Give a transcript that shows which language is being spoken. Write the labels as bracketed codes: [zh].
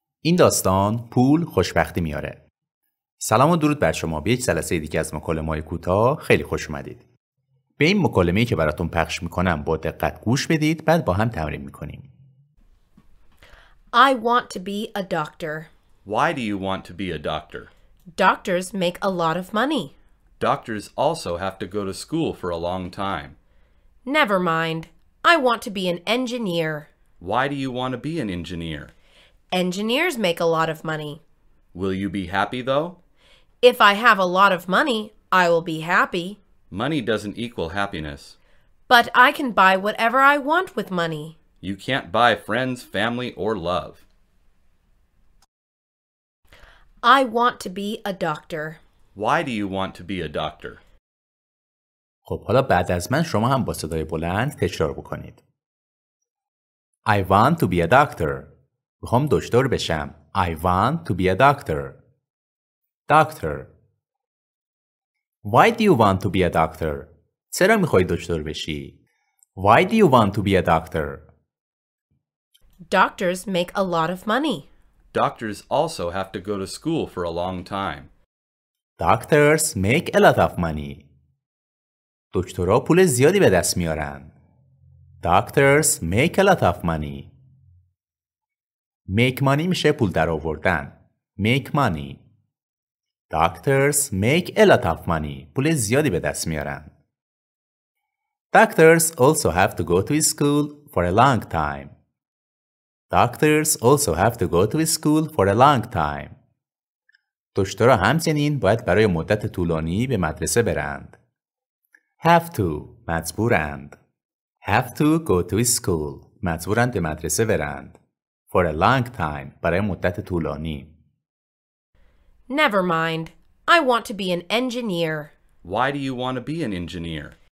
[fa] این داستان پول خوشبختی میاره. سلام و درود بر شما. به یک جلسه دیگه از مکالمه کوتاه خیلی خوش اومدید. به این مکالمه که براتون پخش میکنم با دقت گوش بدید، بعد با هم تمرین میکنیم. [en] I want to be a doctor. Why do you want to be a doctor? Doctors make a lot of money. Doctors also have to go to school for a long time. Never mind. I want to be an engineer. Why do you want to be an engineer? Engineers make a lot of money. Will you be happy though? If I have a lot of money, I will be happy. Money doesn't equal happiness. But I can buy whatever I want with money. You can't buy friends, family, or love. I want to be a doctor. Why do you want to be a doctor? [fa] خب حالا بعد از من شما هم با صدای بلند تکرار بکنید. [en] I want to be a doctor. [fa] میخوام دکتر بشم. [en] I want to be a doctor. Doctor. Why do you want to be a doctor? [fa] چرا میخوای دکتر بشی؟ [en] Why do you want to be a doctor? Doctors make a lot of money. Doctors also have to go to school for a long time. Doctors make a lot of money. [fa] دکترها پول زیادی به دست میارن. [en] Doctors make a lot of money. Make money [fa] میشه پول در آوردن. [en] Make money. Doctors make a lot of money. [fa] پول زیادی به دست میارن. [en] Doctors also have to go to school for a long time. Doctors also have to go to school for a long time. [fa] دکترها همچنین باید برای مدت طولانی به مدرسه برند. [en] Have to [fa] مجبورند. [en] Have to go to school [fa] مجبورند به مدرسه برند. [en] For a long time [fa] برای مدت طولانی. [en] Never mind. I want to be an engineer. Why do you want to be an engineer?